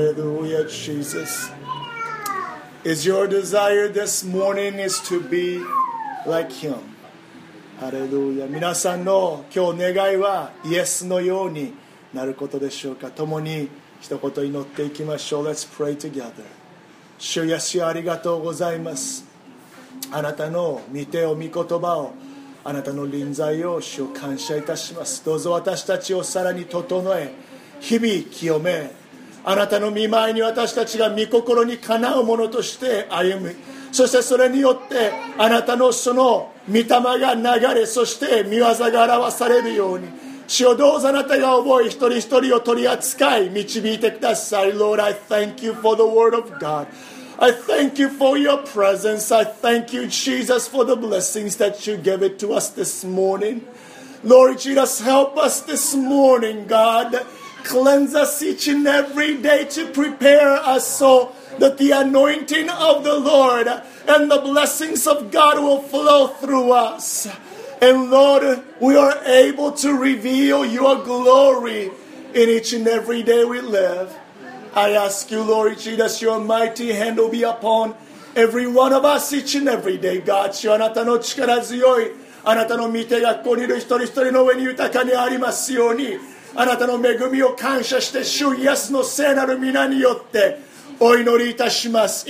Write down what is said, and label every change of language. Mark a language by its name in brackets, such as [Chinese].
[English] Your desire this morning is to be like Him. Hallelujah. [Japanese] 皆さんの今日願いはイエスのようになることでしょうか。共に一言祈っていきましょう。 [English] Let's pray together. [Japanese] 主イエス、ありがとうございます。あなたの御手を御言葉を、あなたの臨在を主を感謝いたします。どうぞ私たちをさらに整え、日々清め。あなたの御前に私たちが御心にかなうものとして歩む、そしてそれによってあなたのその御霊が流れ、そして御業が表されるように、主をどうぞあなたが覚え、一人一人を取り扱い導いてください。 [English] Lord, I thank you for the word of God. I thank you for your presence. I thank you, Jesus, for the blessings that you gave it to us this morning. Lord Jesus, help us this morning, GodCleanse us each and every day to prepare us so that the anointing of the Lord and the blessings of God will flow through us. And Lord, we are able to reveal your glory in each and every day we live. I ask you, Lord Jesus, your mighty hand will be upon every one of us each and every day. [Japanese] God, あなたの力強い、あなたの御手がここにいる一人一人の上に豊かにありますように、あなたの恵みを感謝して、主イエスの聖なる御名によってお祈りいたします。